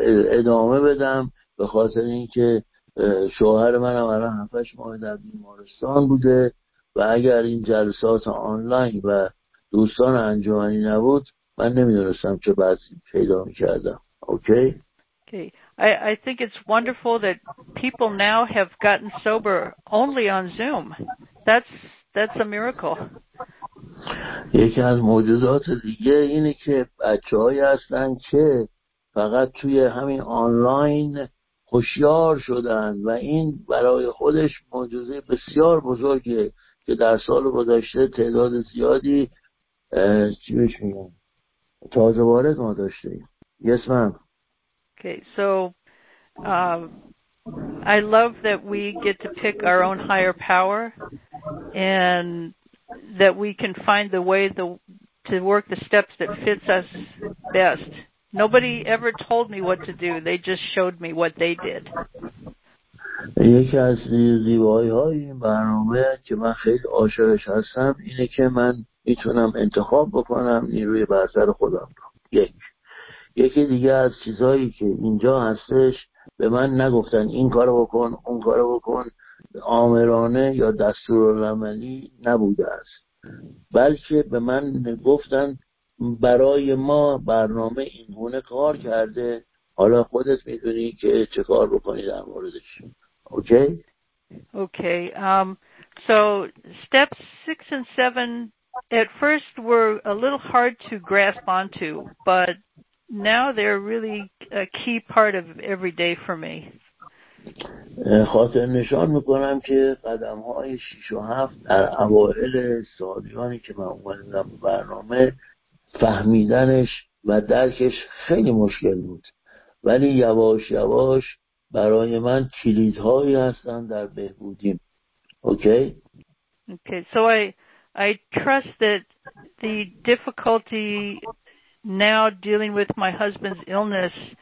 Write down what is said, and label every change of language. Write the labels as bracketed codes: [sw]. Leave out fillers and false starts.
[fa] ادامه بدم، به خاطر اینکه شوهر من هم الان 7-8 ماه در بیمارستان بوده و اگر این جلسات آنلاین و دوستان انجمنی نبود من نمیدونستم چه بعضی پیدا میکردم. [en] Okay? Okay. I think it's wonderful that people now have gotten sober only on Zoom. That's a miracle. [fa] یکی از معجزات دیگه اینه که بچه های هستن که فقط توی همین آنلاین هوشیار شدن و این برای خودش معجزه بسیار بزرگه که در سال گذشته تعداد زیادی چی بهش میگن؟ تازه وارد ما داشتیم. [en] Yes, ma'am. Okay, so I love that we get to pick our own higher power and that we can find the way to work the steps that fits us best. Nobody ever told me what to do. They just showed me what they did. [fa] یکی از زیبایی‌های این برنامه که من خیلی عاشقش هستم اینه که من میتونم انتخاب بکنم نیروی برتر خودم رو. یکی دیگه از چیزهایی که اینجا هستش به من نگفتن این کارو بکن اون کارو بکن، آمرانه یا دستورالعملی نبوده است، بلکه به من گفتن برای ما برنامه اینگونه کار کرده، حالا خودت میدونی که چه کار بکنی در موردش. [en] Okay? Okay. So steps 6 and 7 at first were a little hard to grasp onto, but now they're really a key part of every day for me. [fa] خاطر نشان میکنم که قدم های 6 و 7 در اوائل سالیانی که من اومدم برنامه فهمیدنش و درکش خیلی مشکل بود، ولی یواش یواش برای من کلیدهایی هستن در بهبودیم. [en] Okay? Okay. So I trust that the difficulty now dealing with my husband's illness